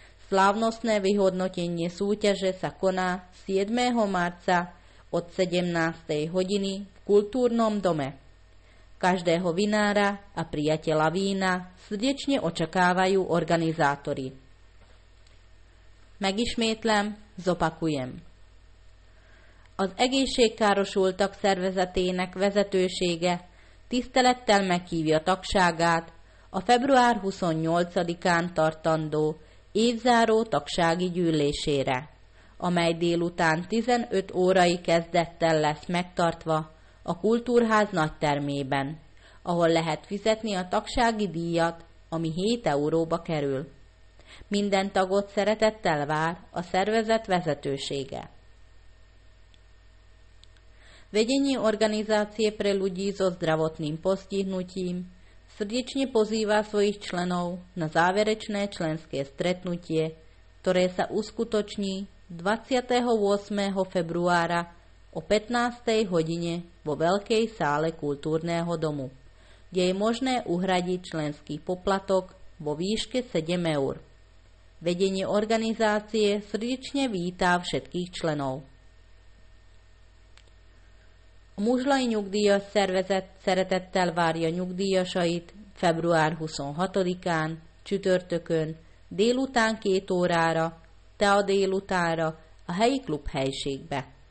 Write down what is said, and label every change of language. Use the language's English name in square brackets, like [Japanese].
[Slovak] Slávnostné vyhodnotenie súťaže sa koná 7. marca od 17. hodiny v kultúrnom dome. Každého vinára a priateľa vína srdečne očakávajú organizátori. [Hungarian] Megismétlem, [Slovak] zopakujem. [Hungarian] Az egészségkárosultak szervezetének vezetősége tisztelettel meghívja tagságát a február 28-án tartandó évzáró tagsági gyűlésére, amely délután 15 órai kezdettel lesz megtartva a Kultúrház nagy termében, ahol lehet fizetni a tagsági díjat, ami 7 euróba kerül. Minden tagot szeretettel vár a szervezet vezetősége. [Slovak] Vedenie organizácie pre ľudí so zdravotným postihnutím srdečne pozýva svojich členov na záverečné členské stretnutie, ktoré sa uskutoční 28. februára o 15. hodine vo Veľkej sále Kultúrneho domu, kde je možné uhradiť členský poplatok vo výške 7 eur. Vedenie organizácie srdečne vítá všetkých členov. [Hungarian] A Muzslai Nyugdíjas Szervezet szeretettel várja nyugdíjasait február 26-án, csütörtökön, délután 2 órára, tea délutánra a helyi klubhelyiségbe.